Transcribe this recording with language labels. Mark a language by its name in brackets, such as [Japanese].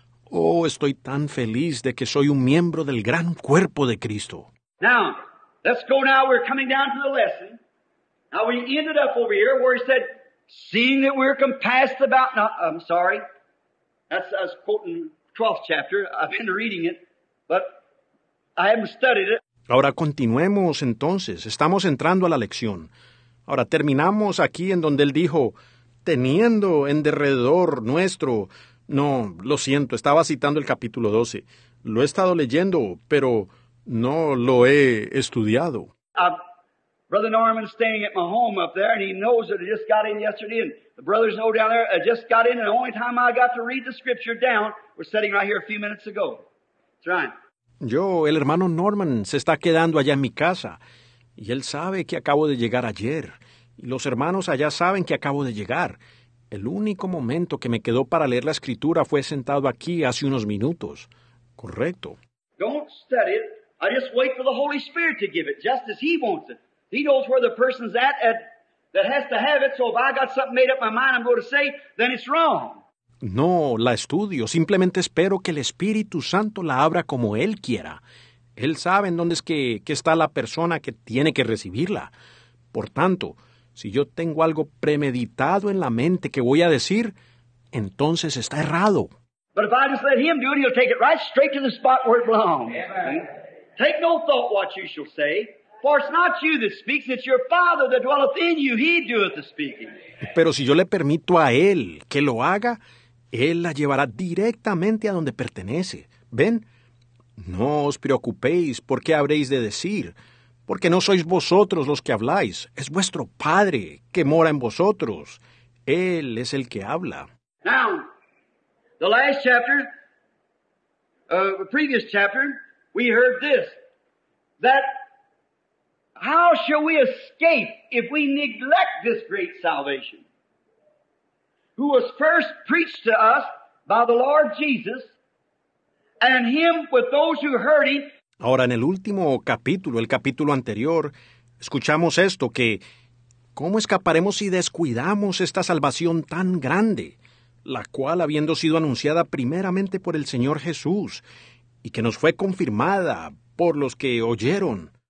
[Spanish] Oh, estoy tan feliz de que soy un miembro del gran cuerpo de Cristo. [English] Now, let's go now. We're coming down to the lesson. Now we ended up over here where he said, seeing that we're compassed about, no, I'm sorry, that's us quoting 12th chapter. I've been reading it, but I haven't studied it. [Spanish] Ahora continuemos entonces. Estamos entrando a la lección. Ahora terminamos aquí en donde él dijo, teniendo en derredor nuestro, no, lo siento, estaba citando el capítulo 12. Lo he estado leyendo, pero no lo he estudiado. [English] Brother Norman's staying at my home up there, and he knows that I just got in yesterday, and the brothers know down there, I just got in, and the only time I got to read the scripture down was sitting right here a few minutes ago. That's right. [Spanish] Yo, el hermano Norman, se está quedando allá en mi casa, y él sabe que acabo de llegar ayer, y los hermanos allá saben que acabo de llegar. El único momento que me quedó para leer la escritura fue sentado aquí hace unos minutos. Correcto. [English] Don't study it. I just wait for the Holy Spirit to give it, just as he wants it. He knows where the person's at that has to have it. So if I got something made up in my mind I'm going to say, then it's wrong. [Spanish] No, la estudio. Simplemente espero que el Espíritu Santo la abra como él quiera. Él sabe en dónde es que está la persona que tiene que recibirla. Por tanto, si yo tengo algo premeditado en la mente que voy a decir, entonces está errado. [English] But if I just let him do it, he'll take it right straight to the spot where it belongs. Amen. Take no thought what you shall say. For it's not you that speaks, it's your Father that dwelleth in you. He doeth the speaking. [Spanish] Pero si yo le permito a él que lo haga, él la llevará directamente a donde pertenece. ¿Ven? No os preocupéis por qué habréis de decir, porque no sois vosotros los que habláis. Es vuestro Padre que mora en vosotros. Él es el que habla. [English] Now, the last chapter, the previous chapter, we heard this, that how shall we escape if we neglect this great salvation, who was first preached to us by the Lord Jesus, and him with those who heard him? [Spanish] Ahora, en el último capítulo, el capítulo anterior, escuchamos esto, que ¿cómo escaparemos si descuidamos esta salvación tan grande, la cual habiendo sido anunciada primeramente por el Señor Jesús, y que nos fue confirmada por los que oyeron?